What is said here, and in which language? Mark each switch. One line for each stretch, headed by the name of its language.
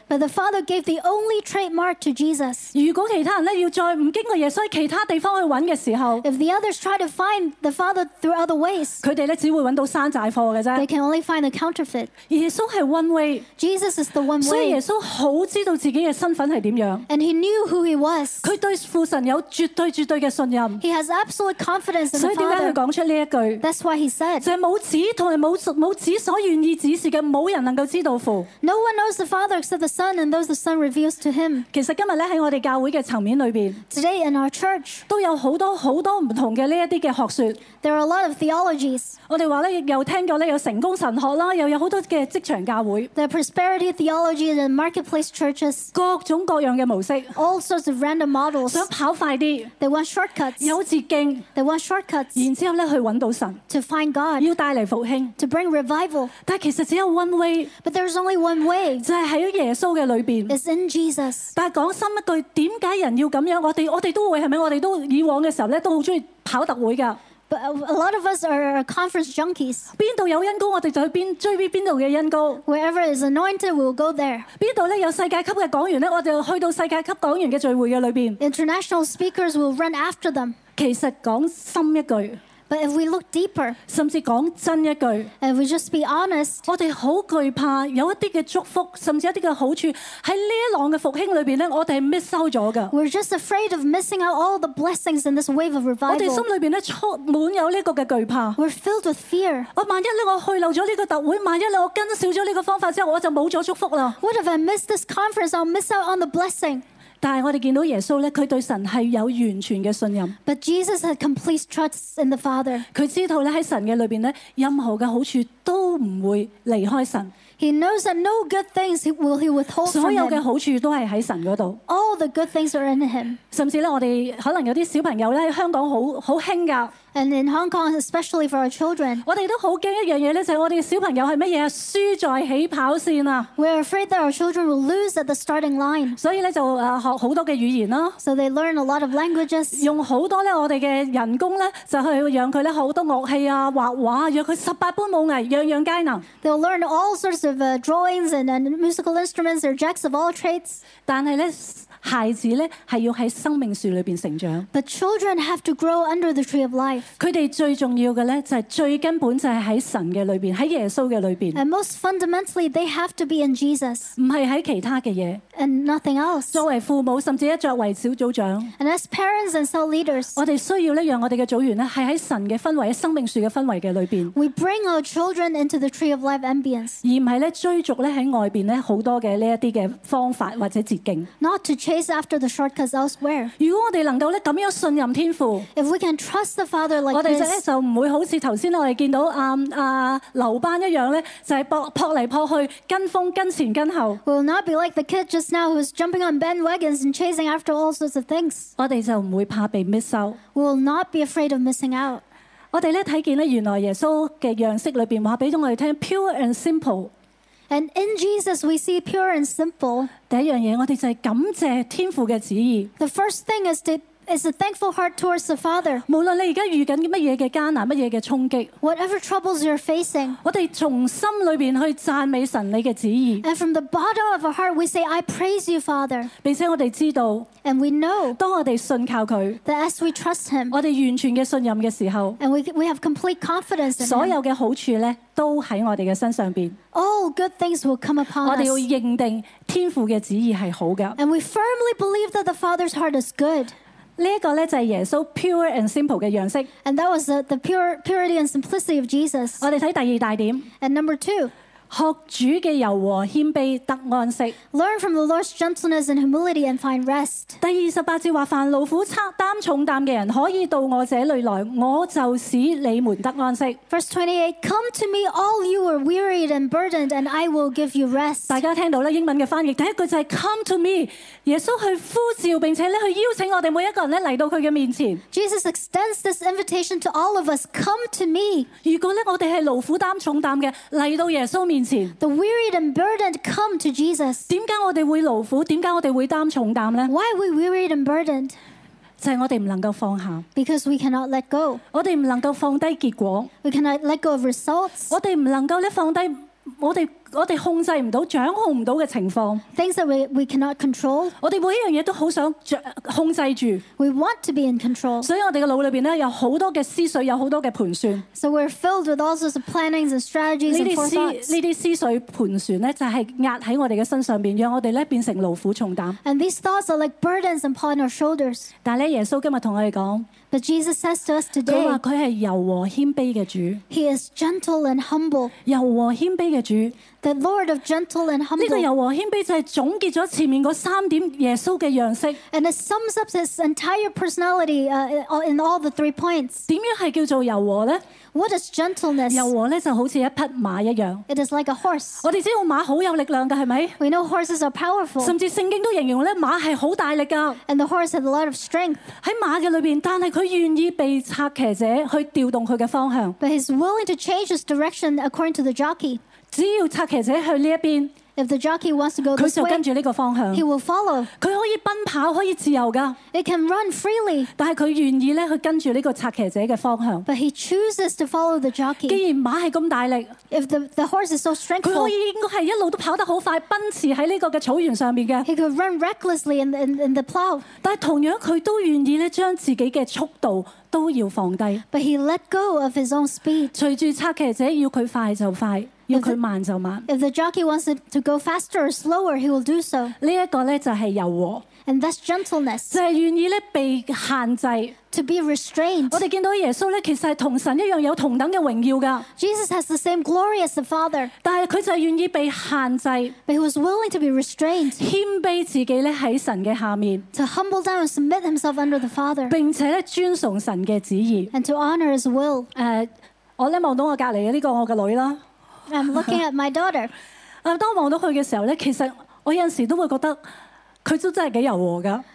English: But the Father gave the only trademark to Jesus.
Cantonese: 如果其他人咧要再唔經過耶穌喺其他地方去揾嘅時候
English: ，If the others try to find the Father through other ways，
Cantonese: 佢哋咧只會揾到山寨貨嘅啫。
English: They can only find a counterfeit.
Cantonese: 耶穌係
English: one way. Jesus is the one way.
Cantonese: 所以耶穌好知道自己嘅身份係點樣。
English: And he knew who he was.
Cantonese: 佢對父神有絕對絕對嘅信任。
English: He has absolute confidence in the Father.
Cantonese: 所以點解佢講出呢一句
English: ？That's why he said，
Cantonese: 就係冇子同埋冇子所願意指示嘅冇人。能够知道父。
English: No one knows the Father except the Son and those the Son reveals to him.
Cantonese: 其实今日咧喺我哋教会嘅层面里边
English: ，Today in our church
Cantonese: 都有好多好多唔同嘅呢一啲嘅学说。
English: There are a lot of theologies.
Cantonese: 我哋话咧又听过咧有成功神学啦，又有好多嘅职场教会。
English: There are prosperity theologies and marketplace churches.
Cantonese: 各种各样嘅模式。
English: All sorts of random models.
Cantonese: 想跑快啲。
English: They want shortcuts.
Cantonese: 有捷径。
English: They want shortcuts.
Cantonese: 然之后咧去揾到神。
English: To find God.
Cantonese: 要带嚟复兴。
English: To bring revival.
Cantonese: 但其实只有
English: one way。 But there's only one way.
Cantonese: 就系喺耶稣嘅里边。
English: It's in Jesus.
Cantonese: 但系讲深一句，点解人要咁样？我哋都会系咪？我哋都以往嘅时候咧，都好中意跑特会噶。
English: But a lot of us are conference junkies.
Cantonese: 边度有恩膏，我哋就去边追边边度嘅恩膏。
English: Wherever is anointed, we'll go there.
Cantonese: 边度咧有世界级嘅讲员咧，我哋去到世界级讲员嘅聚会嘅里边。
English: International speakers will run after them.
Cantonese: 其实讲深一句。
English: But if we look deeper,
Cantonese: 甚至讲真一句
English: ，and we just be honest,
Cantonese: 我哋好惧怕有一啲嘅祝福，甚至一啲嘅好处喺呢一浪嘅复兴里边咧，我哋系 miss 收咗噶。
English: We're just afraid of missing out all the blessings in this wave of revival.
Cantonese: 我哋心里边咧充满有呢个嘅惧怕。
English: We're filled with fear.
Cantonese: 我万一咧我去漏咗呢个特会，万一咧我跟少咗呢个方法之后，我就冇咗祝福啦。
English: What if I miss this conference? I'll miss out on the blessing.
Cantonese: 但系我哋见到耶稣咧，佢对神系有完全嘅信任。
English: But Jesus had complete trust in the Father.
Cantonese: 佢知道咧喺神嘅里边咧，任何嘅好处都唔会离开神。
English: He knows that no good things will he withhold from him.
Cantonese: 所有嘅好处都系喺神嗰度。
English: All the good things are in him.
Cantonese: 甚至咧，我哋可能有啲小朋友咧，香港好兴噶。
English: And in Hong Kong, especially for our children,
Cantonese: 我哋都好惊一样嘢咧，就系我哋小朋友系乜嘢？输在起跑线啊
English: ！We're afraid that our children will lose at the starting line.
Cantonese: 所以咧就学好多嘅语言咯。
English: So they learn a lot of languages.
Cantonese: 用好多咧我哋嘅人工咧，就去让佢咧好多乐器啊、画画，让佢十八般武艺，样样皆能。
English: They'll learn all sorts of drawings and musical instruments. They're jacks of all trades.
Cantonese: 但系咧。孩子咧系要喺生命树里边成长。
English: But children have to grow under the tree of life.
Cantonese: 佢哋最重要嘅咧就系最根本就系喺神嘅里边，喺耶稣嘅里边。
English: And most fundamentally, they have to be in Jesus.
Cantonese: 唔系喺其他嘅嘢。
English: And nothing else.
Cantonese: 作为父母，甚至作为小组长。
English: And as parents and cell leaders.
Cantonese: 我哋需要咧，让我哋嘅组员咧系喺神嘅氛围、喺生命树嘅氛围嘅里边。
English: We bring our children into the tree of life ambience.
Cantonese: 而唔系咧追逐咧喺外边咧好多嘅呢一啲嘅方法或者捷径。
English: Not to chase after the shortcuts elsewhere.
Cantonese: 如果我哋能够咧咁样信任天父
English: ，If we can trust the Father like this,
Cantonese: 我哋咧就唔会好似头先我哋见到刘班一样咧，就系扑嚟扑去，跟风跟前跟后。
English: We'll not be like the kid just now who's jumping on bandwagons and chasing after all sorts of things.
Cantonese: 我哋就唔会怕被
English: miss out. We'll not be afraid of missing out.
Cantonese: 我哋咧睇见咧，原来耶稣嘅样式里边话俾咗我哋听 ，
English: pure and simple。 And in Jesus, we see pure and simple.
Cantonese: 第一样嘢，我哋就系感谢天父嘅旨意。
English: The first thing is a thankful heart towards the Father.
Cantonese: 无论你而家遇紧乜嘢嘅艰难，乜嘢嘅冲击
English: ，whatever troubles you're facing,
Cantonese: 我哋从心里边去赞美神你嘅旨意。
English: And from the bottom of our heart, we say, "I praise you, Father."
Cantonese: 并且我哋知道
English: ，and we know,
Cantonese: 当我哋信靠佢
English: ，that as we trust Him,
Cantonese: 我哋完全嘅信任嘅时候
English: ，and we have complete confidence in Him,
Cantonese: 所有嘅好处咧。都喺我哋嘅身上边。
English: All good things will come upon us.
Cantonese: 我哋要认定天父嘅旨意系好嘅。
English: And we firmly believe that the Father's heart is good.
Cantonese: 呢一个咧就系耶稣
English: pure and simple
Cantonese: 嘅样式。
English: And that was the purity and simplicity of Jesus.
Cantonese: 我哋睇第二大点。
English: And number two,
Cantonese: 学主嘅柔和谦卑得安息。
English: Learn from the Lord's gentleness and humility and find rest.
Cantonese: 第二十八节话：凡劳苦担重担嘅人，可以到我这里来，我就使你们得安息。
English: Verse 28: Come to me, all you are wearied and burdened, and I will give you rest.
Cantonese: 大家听到咧英文嘅翻译，第一句就系
English: Come to me。
Cantonese: 耶稣去呼召，并且咧去邀请我哋每一个人咧嚟到佢嘅面前。
English: Jesus extends this invitation to all of us. Come to me.
Cantonese: 如果咧我哋系劳苦担重担嘅，嚟到耶稣面前。
English: The wearied and burdened come to Jesus.
Cantonese: 点解我哋会劳苦？点解我哋会担重担咧
English: ？Why are we wearied and burdened？
Cantonese: 就系我哋唔能够放下。
English: Because we cannot let go.
Cantonese: 我哋唔能够放低结果。
English: We cannot let go of results.
Cantonese: 我哋唔能够咧放低我哋控制唔到、掌控唔到嘅情况。
English: Things that we cannot control。
Cantonese: 我哋每一样嘢都好想控制住。
English: We want to be in control。
Cantonese: 所以我哋嘅脑里边咧有好多嘅思绪，有好多嘅盘算。
English: So we're filled with all sorts of plannings and strategies and forethoughts。
Cantonese: 呢啲思绪盘旋咧，就系压喺我哋嘅身上边，让我哋咧变成劳苦重担。
English: And these thoughts are like burdens upon our shoulders。
Cantonese: 但系咧，耶稣今日同我哋讲。
English: But Jesus says to us today。
Cantonese: 佢话佢系柔和谦卑嘅主。
English: He is gentle and humble。
Cantonese: 柔和谦卑嘅主。
English: The Lord of gentle and humble.
Cantonese: 呢个柔和谦卑就系总结咗前面嗰三点耶稣嘅样式。
English: And it sums up his entire personality, in all the three points.
Cantonese: 点样系叫做柔和咧
English: ？What is gentleness?
Cantonese: 柔和咧就好似一匹马一样。
English: It is like a horse.
Cantonese: 我哋知道马好有力量噶，系咪
English: ？We know horses are powerful.
Cantonese: 甚至圣经都形容咧马系好大力噶。
English: And the horse has a lot of strength.
Cantonese: 喺马嘅里边，但系佢愿意被拆骑者去调动佢嘅方向。
English: But he's willing to change his direction according to the jockey.
Cantonese: 只要拆騎者去呢一邊
English: ，If the jockey wants to go this way，
Cantonese: 佢就跟住呢個方向。
English: He will follow。
Cantonese: 佢可以奔跑，可以自由噶。
English: It can run freely。
Cantonese: 但係佢願意咧，去跟住呢個拆騎者嘅方向。
English: But he chooses to follow the jockey。
Cantonese: 既然馬係咁大力
English: ，If the horse is so strengthful，
Cantonese: 佢可以應該係一路都跑得好快，奔馳喺呢個嘅草原上邊嘅。
English: He could run recklessly in the plow。
Cantonese: 但係同樣佢都願意咧，將自己嘅速度。都要放低
English: ，But he let go of his own speed。
Cantonese: 随住拆骑者要佢快就快，要佢慢就慢。
English: If the jockey wants to go faster or slower, he will do so。
Cantonese: 呢一个咧就系柔和
English: And that's gentleness.
Cantonese: 就係願意咧被限制。
English: To be restrained.
Cantonese: 我哋見到耶穌咧，其實係同神一樣有同等嘅榮耀噶。
English: Jesus has the same glory as the Father.
Cantonese: 但係佢就係願意被限制。
English: But he was willing to be restrained.
Cantonese: 謙卑自己咧喺神嘅下面。
English: To humble down and submit himself under the Father.
Cantonese: 並且咧遵從神嘅旨意。
English: And to honor his will.
Cantonese: 我咧望到我隔離嘅呢個我嘅女啦。
English: I'm looking at my daughter.
Cantonese: 當望到佢嘅時候咧，其實我有時都會覺得佢都真係幾柔和噶。